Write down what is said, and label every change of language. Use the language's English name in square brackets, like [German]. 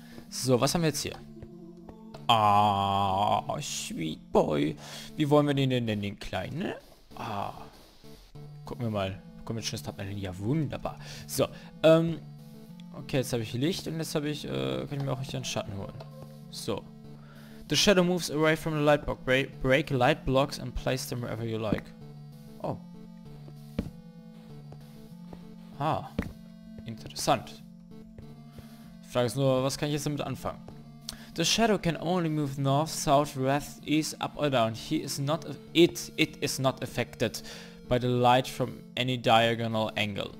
[German] So, was haben wir jetzt hier? Ah, [English] sweet boy. [German] Wie wollen wir den denn nennen, den Kleinen? Ah. Gucken wir mal. Komm, jetzt schon, das hat man den. Ja, wunderbar. So, okay, jetzt habe ich Licht und jetzt habe ich, kann ich mir auch nicht einen Schatten holen. So. [English] The shadow moves away from the light block. Break light blocks and place them wherever you like. Oh. [German] Ah. Interessant. Frage ist nur, was kann ich jetzt damit anfangen? [English] The shadow can only move north, south, west, east, up or down. He is not it is not affected by the light from any diagonal angle.